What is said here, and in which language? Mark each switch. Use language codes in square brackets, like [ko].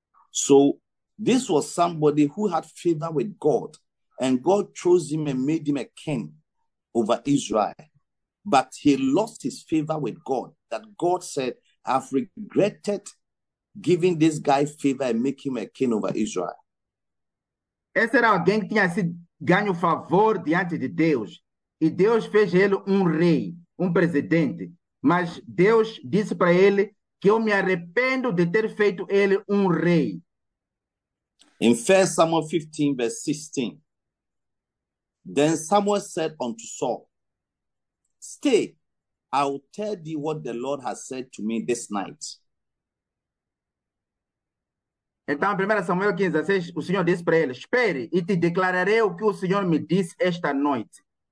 [en] So, this was somebody who had favor with God, and God chose him and made him a king over Israel. But he lost his favor with God, that God said, I've regretted giving this guy favor and making him a king over Israel. [pt] Esse era alguém que tinha ganho favor diante de Deus, e Deus fez ele rei, presidente. Mas Deus disse para ele que eu me arrependo de ter feito ele rei. [en] In 1 Samuel 15, verse 16, then Samuel said unto Saul, stay, I will tell thee what the Lord has said to me this night. [pt] Então, 1 Samuel 15, 16, o Senhor disse para ele, espere, e te declararei o que o Senhor me disse esta noite.